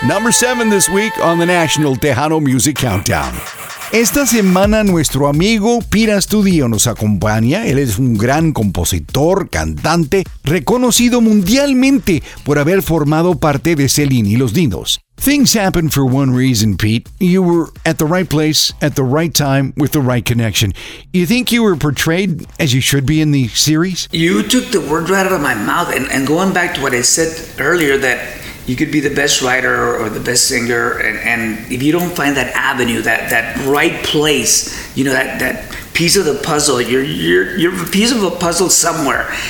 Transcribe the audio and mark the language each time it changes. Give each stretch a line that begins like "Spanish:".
English: Number 7 this week on the National Tejano Music Countdown.
Spanish: Esta semana nuestro amigo Pira Studio nos acompaña. Él es un gran compositor, cantante, reconocido mundialmente por haber formado parte de Celine y Los Dinos.
English: Things happen for one reason, Pete. You were at the right place, at the right time, with the right connection. You think you were portrayed as you should be in the series? You took the word right out of my mouth. And going back to what I said earlier, that you could be the best writer or the best singer, and if you don't find that avenue, that right place, you know, that piece of the puzzle, you're a piece of a puzzle somewhere.